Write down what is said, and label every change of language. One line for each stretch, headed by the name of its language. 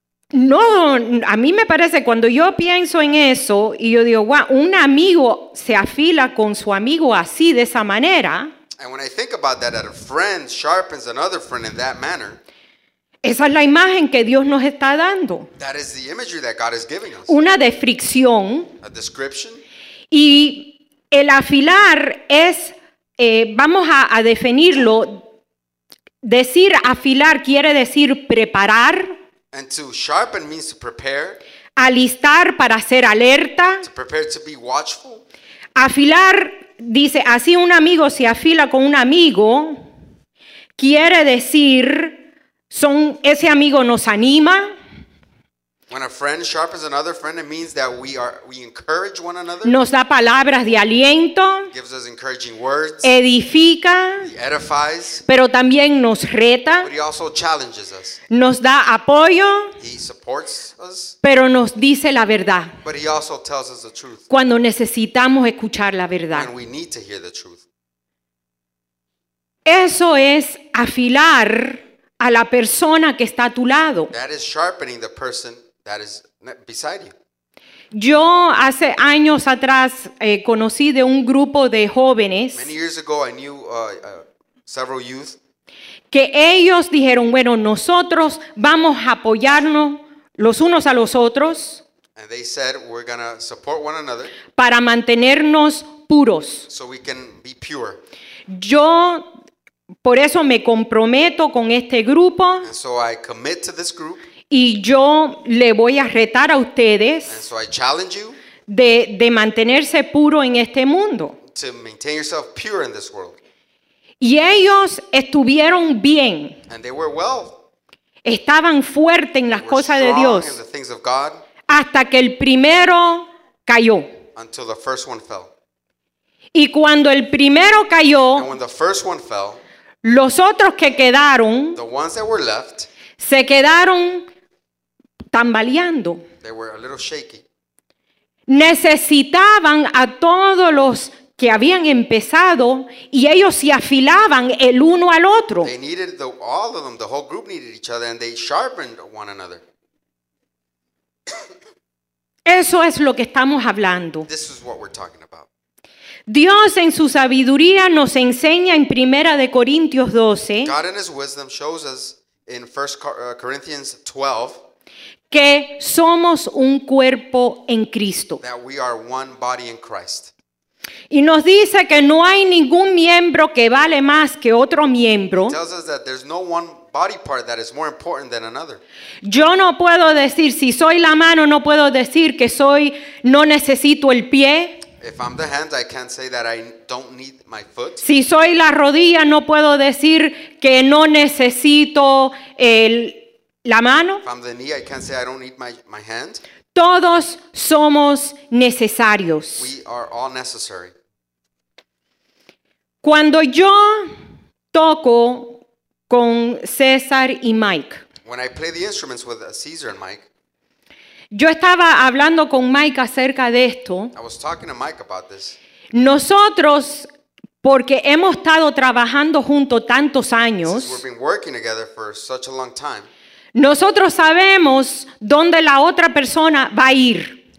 Spanish: No, a mí me parece, cuando yo pienso en eso y yo digo, wow, un amigo se afila con su amigo así, de esa manera.
English: And when I think about that a friend sharpens another friend in that manner.
Spanish: Esa es la imagen que Dios nos está dando.
English: That is the imagery that God is giving us.
Spanish: Una descripción.
English: A description.
Spanish: Y el afilar es, vamos a definirlo, decir afilar quiere decir preparar.
English: And to sharpen means to prepare.
Spanish: Alistar para ser alerta.
English: To prepare to be watchful.
Spanish: Afilar, dice, así un amigo se afila con un amigo, quiere decir... ese amigo nos anima.
English: When a friend sharpens another friend, it means that we encourage one another.
Spanish: Nos da palabras de aliento.
English: Gives us encouraging words.
Spanish: Edifica.
English: He edifies.
Spanish: Pero también nos reta.
English: But he also challenges us.
Spanish: Nos da apoyo.
English: He supports us.
Spanish: Pero nos dice la verdad.
English: But he also tells us the truth.
Spanish: Cuando necesitamos escuchar la verdad.
English: When we need to hear the truth.
Spanish: Eso es afilar a la persona que está a tu lado.
English: That is sharpening the person that is beside you.
Spanish: Yo hace años atrás conocí de un grupo de jóvenes.
English: Many years ago, I knew several youth.
Spanish: Que ellos dijeron, bueno, nosotros vamos a apoyarnos los unos a los otros.
English: And they said, we're gonna support one another.
Spanish: Para mantenernos puros.
English: So we can be pure.
Spanish: Yo por eso me comprometo con este grupo.
English: And so I commit to this group.
Spanish: Y yo le voy a retar a ustedes.
English: And so I challenge you.
Spanish: De mantenerse puro en este mundo.
English: To maintain yourself pure in this world.
Spanish: Y ellos estuvieron bien.
English: And they were well.
Spanish: Estaban fuertes en las
English: they
Spanish: cosas de Dios.
English: In the things of God.
Spanish: Hasta que el primero cayó.
English: Until the first one fell.
Spanish: Y cuando el primero cayó.
English: And when the first one fell.
Spanish: Los otros que quedaron,
English: the ones that were left,
Spanish: se quedaron tambaleando.
English: They were a little shaky.
Spanish: Necesitaban a todos los que habían empezado y ellos se afilaban el uno al otro.
English: They needed all of them, the whole group needed each other and they sharpened one another.
Spanish: Eso es lo que estamos hablando.
English: This is what we're talking about.
Spanish: Dios en su sabiduría nos enseña en 1 Corintios 12,
English: God in his wisdom shows us in 1 Corinthians 12
Spanish: que somos un cuerpo en Cristo.
English: That we are one body in Christ.
Spanish: Y nos dice que no hay ningún miembro que vale más que otro miembro.
English: He tells us that there's no one body part that is more important than another.
Spanish: Yo no puedo decir si soy la mano, no puedo decir que soy no necesito el pie.
English: If I'm the hand, I can't say that I don't need my foot.
Spanish: Si soy la rodilla, no puedo decir que no necesito la mano.
English: If I'm the knee, I can't say I don't need my hand.
Spanish: Todos somos necesarios.
English: We are all necessary.
Spanish: Cuando yo toco con César y Mike.
English: When I play the instruments with Caesar and Mike.
Spanish: Yo estaba hablando con Mike acerca de esto.
English: I was talking to Mike about this.
Spanish: Nosotros, porque hemos estado trabajando junto tantos años,
English: since we've been working together for such a long time,
Spanish: nosotros sabemos dónde la otra persona va a ir.